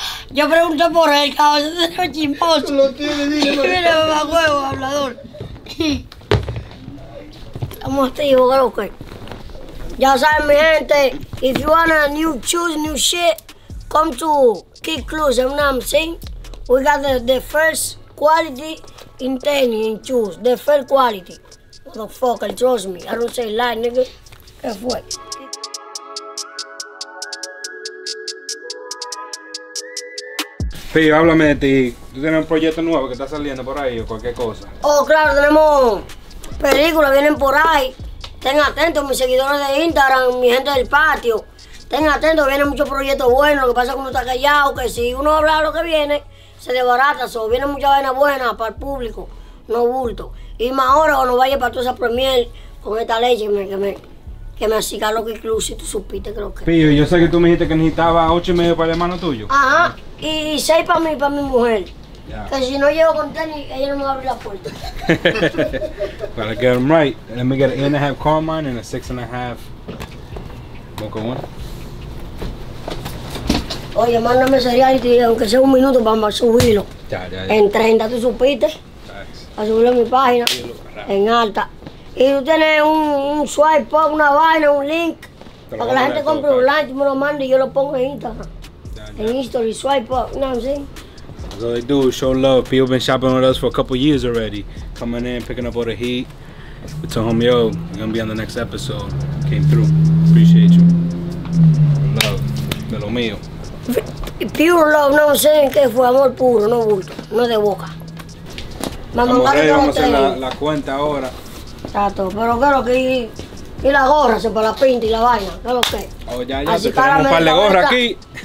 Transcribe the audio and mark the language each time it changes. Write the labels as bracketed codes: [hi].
[es] Yo pregunto por él, cabrón. Ese es un chimposo. Lo tiene, dígame. Mira, mamá huevo, hablador. Estamos activos, creo que. Ya saben, mi gente. [en] If you want a new shoes, new shit, come to Kid Clues, you know what I'm saying? We got the first quality. In tenis, in shoes, the fair quality. Motherfucker, trust me. I don't say lie, nigga. [es] ¿Qué fue? Pío, háblame de ti. ¿Tú tienes un proyecto nuevo que está saliendo por ahí o cualquier cosa? Oh, claro, tenemos películas, vienen por ahí. Estén atentos, mis seguidores de Instagram, mi gente del patio. Estén atentos, vienen muchos proyectos buenos. Lo que pasa es que uno está callado, que si uno habla de lo que viene, se desbarata, so. Viene mucha vaina buena para el público, no bulto. Y más ahora cuando vaya para toda esa premier con esta leche que me acicaló que incluso si tú supiste creo que. Pío, yo sé que tú me dijiste que necesitaba 8.5 para el hermano tuyo. Ajá, y 6 para mi mujer. Yeah. Que si no llego con tenis, ella no me va a abrir la puerta. [en] Para get them right, let me get an 8.5 Carmine and a 6.5 Boca One. [es] Oye, mándame cereal y aunque sea un minuto, vamos a subirlo. Ya. En 30, ¿tú supiste? A subirlo a mi página, en alta. Y tú tienes un swipe up, una vaina, un link, para que la gente compre un lunch, me lo mande y yo lo pongo en Instagram. Ya. En history, swipe up, ¿no? ¿Sí? [en] So they do, show love. People been shopping with us for a couple years already. Coming in, picking up all the heat. It's a homie, yo. You're gonna be on the next episode. Came through. Appreciate you. Love, [es] de lo mío. [en] Pure love, [es] no sé en qué fue, amor puro, no bulto, no de boca. Vamos a hacer la cuenta ahora. Tato, pero creo que y la gorra, se para la pinta y la vaina, ¿qué es lo que? Oh, ya, así te tenemos un par de gorras aquí.